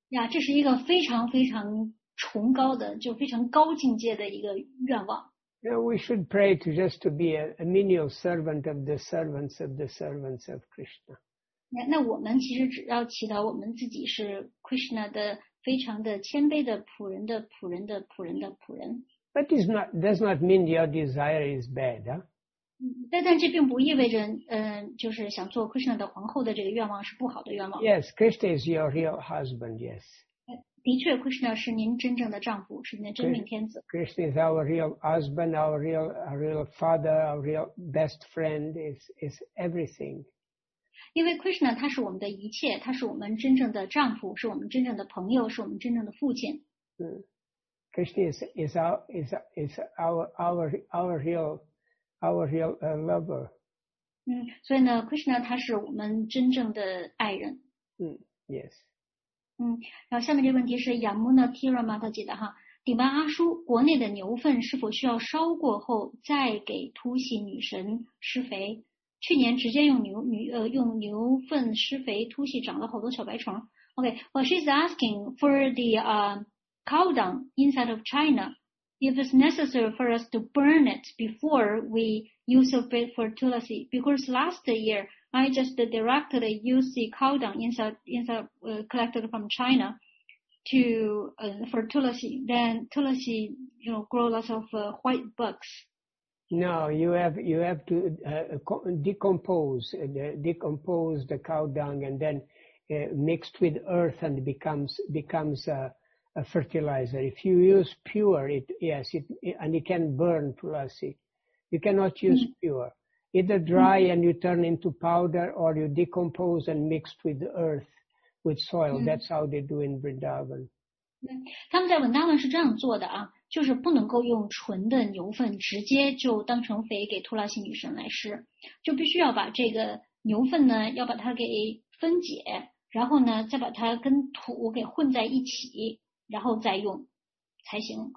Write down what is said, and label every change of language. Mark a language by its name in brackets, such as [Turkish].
[Chinese] 这是一个非常非常崇高的，就非常高境界的一个愿望。 [English] Yeah, we should pray to just to be a menial servant of the servants of the servants of Krishna. [Chinese] 那我们其实只要祈祷我们自己是 Krishna 的非常的谦卑的仆人的仆人的仆人的仆人。 [English] But is not does not mean your desire is bad, huh? [Chinese] 但这并不意味着，就是想做 Krishna 的皇后的这个愿望是不好的愿望。 [English] Yes, Krishna is your real husband. Yes. [Chinese] 的确，Krishna 是您真正的丈夫，是您的真命天子。 [English] Krishna is our real husband, our real father, our real best friend. Is everything. [Chinese] 因为 Krishna 他是我们的一切，他是我们真正的丈夫，是我们真正的朋友，是我们真正的父亲。 [English] Krishna is our real lover. [Chinese] 所以呢，Krishna 他是我们真正的爱人。 [English] Yes. [Chinese] 然后下面这个问题是 Yamuna Tira Mataji 的哈，顶巴阿叔，国内的牛粪是否需要烧过后再给突袭女神施肥？去年直接用牛粪施肥，突袭长了好多小白虫。 [English] OK, she's asking for the cow dung inside of China. If it's necessary for us to burn it before we use of it for Tulasi, because last year I just directly used the cow dung inside collected from China to for Tulasi. Then Tulasi, grow lots of white bugs. No, you have to decompose the cow dung and then mixed with earth and becomes a fertilizer. If you use pure, it can burn Tulasi. You cannot use pure. Either dry and you turn into powder, or you decompose and mixed with earth, with soil. That's how they do in Vrindavan. [Chinese] 他们在文达文是这样做的啊，就是不能够用纯的牛粪直接就当成肥给托拉西女神来施，就必须要把这个牛粪呢，要把它给分解，然后呢，再把它跟土给混在一起，然后再用才行。